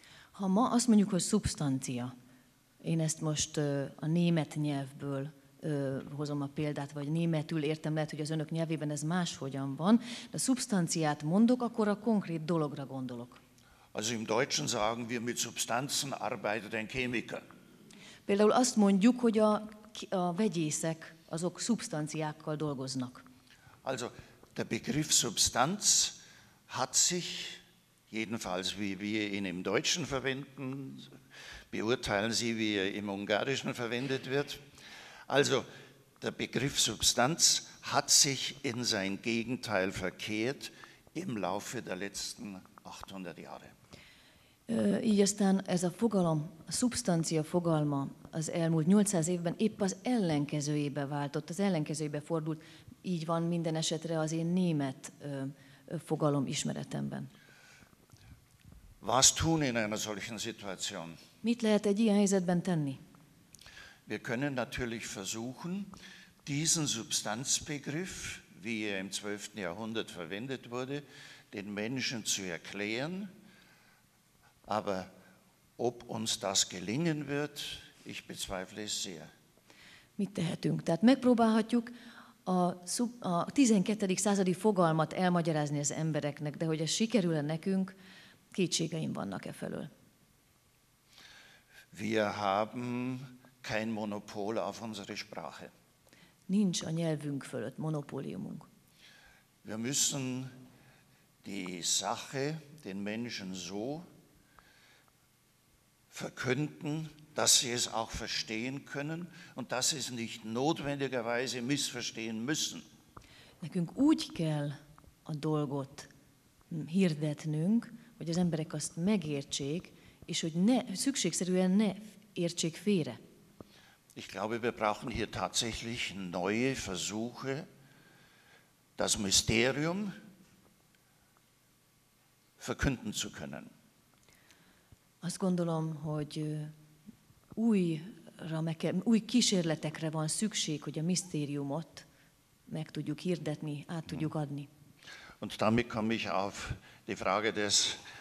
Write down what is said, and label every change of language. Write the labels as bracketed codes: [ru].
[hu] Ha ma azt mondjuk, hogy substancia, én ezt most a német nyelvből hozom a példát, vagy németül értem, lehet, hogy az önök nyelvében ez máshogyan van, de a substanciát mondok, akkor a konkrét dologra gondolok. [de] Also im Deutschen sagen wir, mit Substanzen arbeitet ein Chemiker. [hu] Például azt mondjuk, hogy a vegyészek, azok substanciákkal dolgoznak. [de] Also der Begriff Substanz hat sich Jedenfalls, wie wir ihn im Deutschen verwenden, beurteilen Sie, wie er im Ungarischen verwendet wird. Also, der Begriff Substanz hat sich in sein Gegenteil verkehrt im Laufe der letzten 800 Jahre. [hu] Így aztán ez a fogalom, a szubstancia fogalma az elmúlt 800 évben épp az ellenkezőjébe váltott, az ellenkezőjébe fordult, így van minden esetre az én német fogalom ismeretemben. [de] Was tun in einer solchen Situation? [hu] Mit lehet egy ilyen helyzetben tenni? [de] Wir können natürlich versuchen, diesen Substanzbegriff, wie er im 12. Jahrhundert verwendet wurde, den Menschen zu erklären. Aber ob uns das gelingen wird, ich bezweifle es sehr. [hu] Mit tehetünk? Tehát megpróbálhatjuk a 12. századi fogalmat elmagyarázni az embereknek, de hogy ez sikerül-e nekünk, kétségeim vannak e felől. [de] Wir haben kein Monopol auf unsere Sprache. [hu] Nincs a nyelvünk fölött monopóliumunk. [de] Wir müssen die Sache den Menschen so verkünden, dass sie es auch verstehen können und dass sie es nicht notwendigerweise missverstehen müssen. [hu] Nekünk úgy kell a dolgot hirdetnünk, hogy az emberek azt megértsék, és hogy ne, szükségszerűen ne értsék félre. [de] Ich glaube, wir brauchen hier tatsächlich neue Versuche, das Mysterium verkünden zu können. [hu] Azt gondolom, hogy új kísérletekre van szükség, hogy a misztériumot meg tudjuk hirdetni, át tudjuk adni. [de] Und damit komme ich auf die Frage des